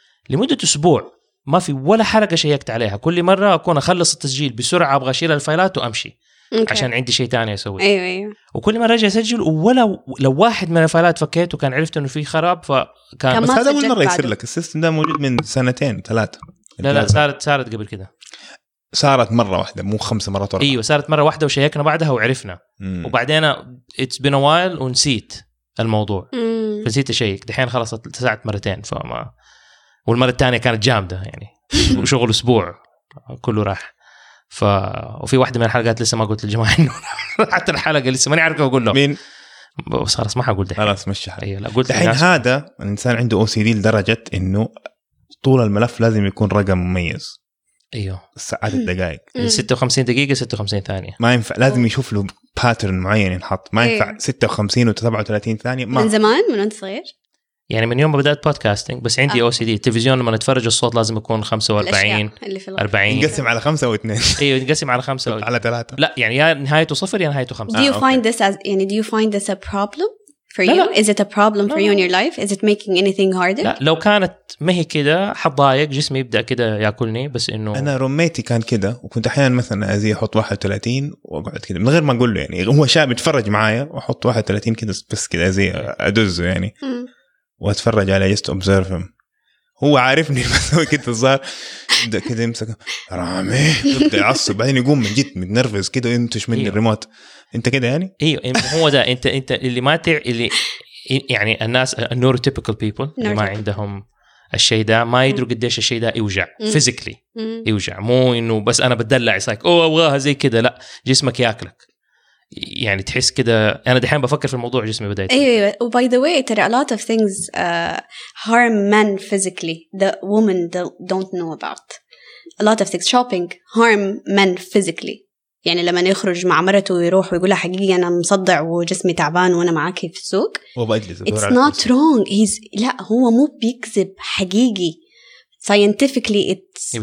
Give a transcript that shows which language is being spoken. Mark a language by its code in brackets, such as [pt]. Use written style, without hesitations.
[ar] لمدة أسبوع ما في ولا حلقة شيكت عليها. كل مرة أكون أخلص التسجيل بسرعة أبغى أشيل الفايلات وأمشي عشان عندي شيء تاني أسوي. أيوة. وكل مرة أجي أسجل ولا لو واحد من الفايلات فكيت وكان عرفت إنه في خراب فكان. بس هذا أول مرة يصير لك. السيستم ده موجود من سنتين ثلاثة. لا لا صارت قبل كده. صارت مرة واحدة مو خمس مرات ورا. أيوة صارت مرة واحدة وشيكنا بعدها وعرفنا. وبعدين [en] it's been a while [ar] ونسيت الموضوع. فنسيت أشيك. دحين خلصت ساعت مرتين فما. والمرة الثانية كانت جامدة يعني وشغل أسبوع كله راح. وفي واحدة من الحلقات لسه ما قلت للجماعة إنه حتى الحلقة لسه ما نعرفه أقول له مين صار اسمح أقول ده خلاص مش حلقة. أيوة لا قلت الحين هذا الإنسان عنده OCD لدرجة إنه طول الملف لازم يكون رقم مميز. أيوه ساعات الدقائق 56 دقيقة 56 ثانية ما ينفع لازم يشوف له باترن معين ينحط ما ينفع 56 و37 ثانية ما. من زمان من أنت صغير يعني من يوم ما بدأت بودكاستينج بس عندي OCD تلفزيون لما نتفرج الصوت لازم يكون 45 40 نقسم على 5 أو 2 أيوة نقسم على 5 أو على 3 لا يعني يا نهايته 0 يا نهايته 5 [en] Do you find this as يعني do you find this a problem for you is it a problem for you in your life is it making anything harder [ar] لا لو كانت مهي كده حضايق جسمي يبدأ كده يأكلني بس إنه أنا روميتي كان كده وكنت أحيانًا مثلًا أزي أحط 31 وأقعد كده من غير ما أقوله يعني هو شاب يتفرج معايا وأحط 31 كده بس كده أزي أدز يعني واتفرج على جست اوبزرف هو عارفني بس هو كده صار يبدا كده يمسك رامي يبدا يعصب بعدين يقوم من جد متنرفز كده ينتش مني الريموت انت كده يعني ايوه هو ده انت اللي ما تع اللي يعني الناس النيوروتيبيكال بيبل اللي ما عندهم الشيء ده ما يدروا قديش الشيء ده يوجع فيزيكلي يوجع مو انه بس انا بدلع سايك او ابغاها زي كده لا جسمك ياكلك يعني تحس كده أنا دحين بفكر في الموضوع جسمي بداية [en] أيوة by the way there are a lot of things harm men physically that women don't know about a lot of things shopping harm men physically [ar] يعني لما يخرج مع مرته ويروح ويقولها حقيقي أنا مصدع وجسمي تعبان وأنا معاكي في السوق [en] it's not wrong he's [ar] لا هو مو بيكذب حقيقي [en] scientifically it's